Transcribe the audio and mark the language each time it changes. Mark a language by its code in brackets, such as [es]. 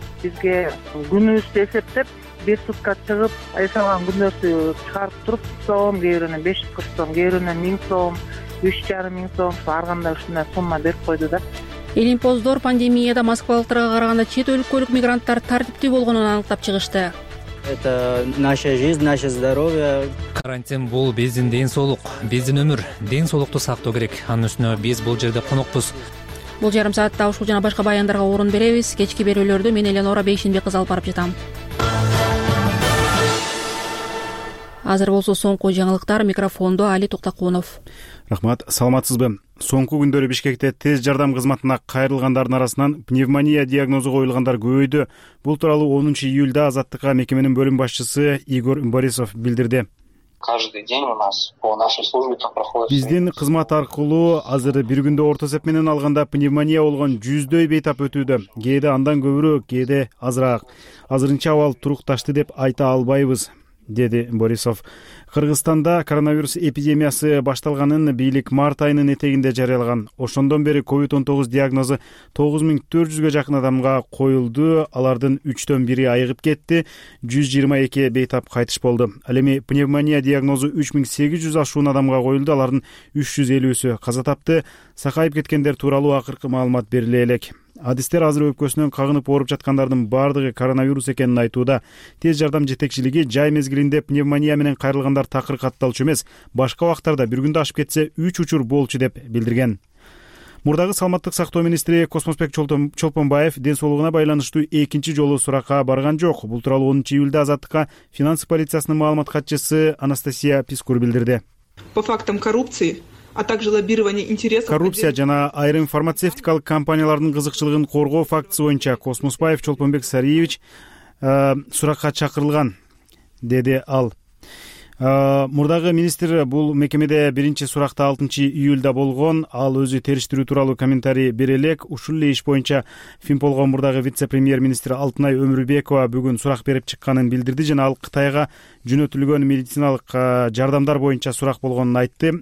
[ky] Бизге күнүбүздү эсептеп, бир сутка чыгып, эсалган күндөрдү чыгарып туруп, сом кээ бирөөнө 540 сом, кээ бирөөнө 1000 сом, 3,5 сом, ар кандай ушундай сумма берип койду да. Илимпоздор пандемияда москвалыктарга караганда чет өлкөлүк мигранттар тартиптүү болгонун аныктап чыгышты. [ru] Это наша жизнь, наше здоровье. [ky] Карантин бул биздин ден соолук, биздин өмүр. Ден соолукту сактоо керек. Анын үстүнө биз бул жерде конокпуз. Бул жарым саатта ушул жана башка баяндарга орун беребиз. Кечки берүүлөрдү мен Эленора Бейшинбек кызы алып барып жатам. Азыр болсо соңку жаңылыктар, микрофондо Али Токтокунов. Рахмат, саламатсызбы. Соңку күндөрү Бишкекте тез жардам кызматына кайрылгандардын арасынан пневмония диагнозу коюлгандар көбөйдү. Бул тууралуу 10 июлда Азаттыкка мекеменин бөлүм башчысы Игорь Борисов билдирди. [ru] Каждый день у нас по нашей службе там проходит. [ky] Биздин кызмат аркылуу азыр бир күндө орто эсеп менен алганда пневмония болгон 100 бейтап өтүүдө. Кээде андан көбүрөөк, кээде азыраак. Азырынча абал турукташты деп айта албайбыз, деди Борисов. Кыргызстанда коронавирус эпидемиясы башталганын бийлик март айынын этегинде жарыялаган. Ошондон бери COVID-19 диагнозу 9400 жакын адамга коюлду, алардын 3-тен 1 айыгып кетти, 122 бейтап кайтыш болду. Ал эми пневмония диагнозу 3800 ашуун адамга коюлду, алардын 350 каза тапты. Сакайып кеткендер тууралуу акыркы маалымат бериле элек. Адистер азыр өпкөсүнөн кагынып ооруп жаткандардын баардыгы коронавирус экенин айтууда. Тез жардам жетекчилиги жай мезгилинде пневмония менен кайрылгандар такыр катталчу эмес, башка убакыттарда бир күндө ашып кетсе 3 учур болчу деп билдирген. Мурдагы саламаттык сактоо министри Космосбек Чолпонбаев ден соолугуна байланыштуу экинчи жолу суракка барган жок. Бул тууралуу 10 июлда Азаттыкка финансы полициясынын маалымат катчысы Анастасия Пискур билдирди. [ru] По фактам коррупции, а также лоббирование интересов. [ky] Коррупция жана айрым фармацевтикалык компаниялардын кызыкчылыгын коргоо фактысы боюнча Космосбаев Чолпонбек Сариевич суракка чакырылган, деди ал. Мурдагы министр бул мекемеде биринчи суракта 6 июлда болгон. Ал өзү териштирүү тууралуу комментарий бере элек. Ушул эле иш боюнча Финполго мурдагы вице-премьер-министр Алтынай Өмүрбекова бүгүн сурак берип чыкканын билдирди жана ал Кытайга жөнөтүлгөн медициналык жардамдар боюнча сурак болгонун айтты.